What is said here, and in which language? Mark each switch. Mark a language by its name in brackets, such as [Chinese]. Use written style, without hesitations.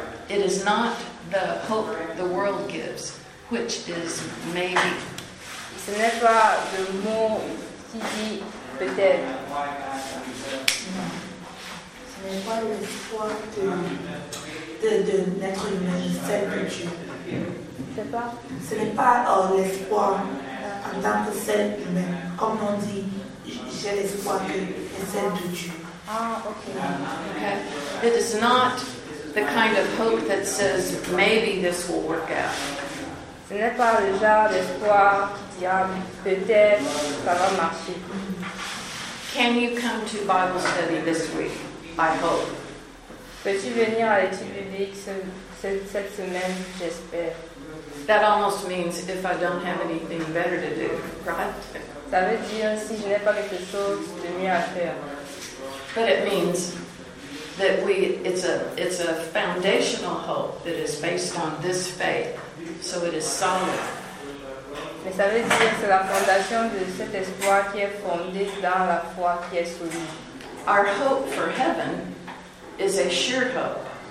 [English] It is not the hope the world gives, which is maybe. [French] Ce n'est pas le mot qui dit peut-être. Ce n'est pas l'espoir de l'être humain, celle de Dieu. C'est pas. Ce n'est pas l'espoir en tant que celle humaine. Comme on dit, j'ai l'espoir que c'est celle de Dieu. [English] Ah, okay. It is not the kind of hope that says maybe this will work out. [French] Ce n'est pas le genre d'espoir qui dit ah, peut-être ça va marcher. [English] Can you come to Bible study this week? I hope. [French] Peux-tu venir à l'étude biblique cette semaine? J'espère. [English] That almost means if I don't have anything better to do, right? [French] Ça veut dire si je n'ai pas quelque chose de mieux à faire. [English] But it means that it's a foundational hope that is based on this faith. So it is solid. [French] Mais ça veut dire que c'est la fondation de cet espoir qui est fondée dans la foi qui est solide. [English] Our hope for heaven is a sure hope.